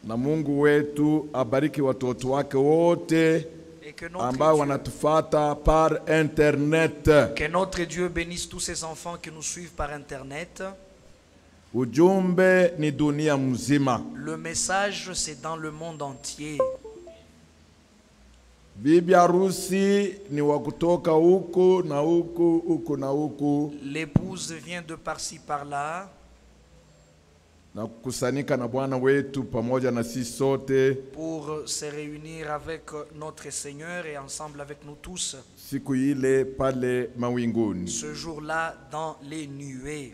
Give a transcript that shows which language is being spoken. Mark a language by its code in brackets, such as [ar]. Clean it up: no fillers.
[sw] Na Mungu wetu abariki watoto wake wote ambao wanatufuata [fr] par internet. Que notre Dieu bénisse tous ces enfants qui nous suivent par internet. [sw] Ujumbe ni dunia mzima. [fr] Le message c'est dans le monde entier. [sw] Bibi arusi ni wa kutoka huko na huko huko na huko. [fr] L'épouse vient de par-ci par-là. [sw] Na kusanika na bwana wetu pamoja na sisi sote. [fr] Pour se réunir avec notre Seigneur et ensemble avec nous tous. [sw] Siku ile pale mawinguni. [fr] Ce jour-là dans les nuées.